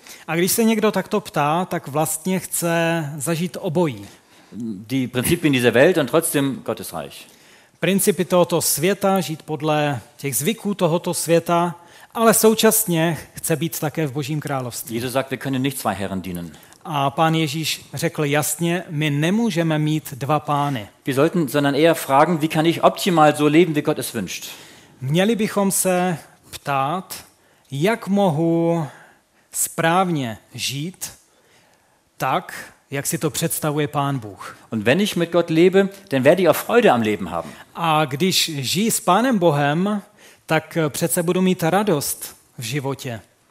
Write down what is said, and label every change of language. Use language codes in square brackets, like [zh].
[cs] A když se někdo takto ptá, tak vlastně chce zažít obojí. [de] Die Prinzipien dieser Welt und trotzdem Gottes Reich. [cs] Principy tohoto světa, žít podle těch zvyků tohoto světa, ale současně chce být také v Božím království. [de] Jesus sagt, wir können nicht zwei Herren dienen. [cs] A pán Ježíš řekl jasně, my nemůžeme mít dva pány. [de] Wir sollten sondern eher fragen, wie kann ich optimal so leben, wie Gott es wünscht. [cs] Měli bychom se ptát, jak mohu správně žít tak, jak si to představuje pán Bůh. [de] Und wenn ich mit Gott lebe, dann werde ich auch Freude am Leben haben. [cs] A když žiji s pánem Bohem, tak přece budu mít radost v životě.